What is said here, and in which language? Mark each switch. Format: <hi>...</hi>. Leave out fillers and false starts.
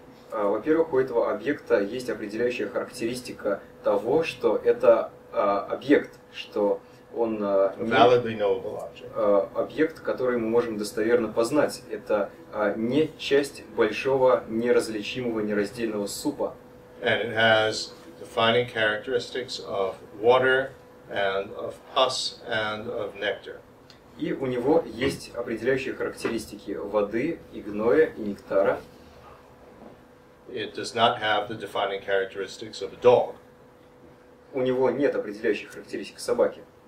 <ru>Во-первых, у этого объекта есть определяющая характеристика того, что это объект, что он</ru> <en>validly knowable object.</en> <ru>Объект, который мы можем достоверно познать, это не часть большого неразличимого нераздельного супа.</ru> <en>And it has defining characteristics of water and of pus and of nectar.</en> <ru>И у него есть определяющие характеристики воды и гноя и нектара.</ru> <en>It does not have the defining characteristics of a dog.</en> <ru>У него нет определяющих характеристик собаки.</ru>